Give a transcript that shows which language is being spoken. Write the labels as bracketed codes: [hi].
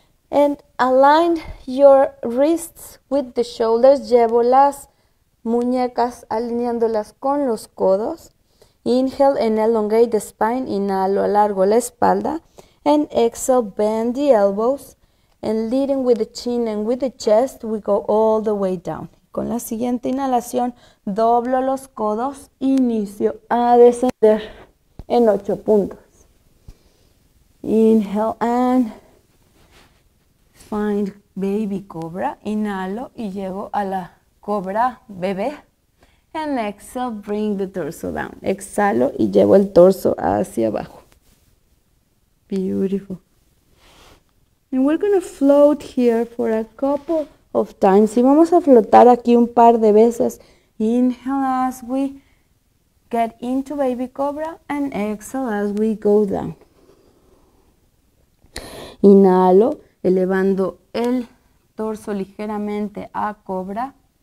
[en] And align your wrists with the shoulders, [es] llevo las muñecas alineándolas con los codos. [en] Inhale and elongate the spine, [es] inhalo, alargo la espalda. [en] And exhale, bend the elbows. And leading with the chin and with the chest, we go all the way down. [es] Con la siguiente inhalación, doblo los codos, inicio a descender en 8 puntos. [en] Inhale and find baby cobra. [es] Inhalo y llego a la cobra bebé. [en] And exhale, bring the torso down. [es] Exhalo y llevo el torso hacia abajo. [en] Beautiful. And we're going to float here for a couple of times. [es] Y vamos a flotar aquí un par de veces. [en] Inhale as we get into baby cobra and exhale as we go down. [es] Inhalo, elevando el torso ligeramente a cobra.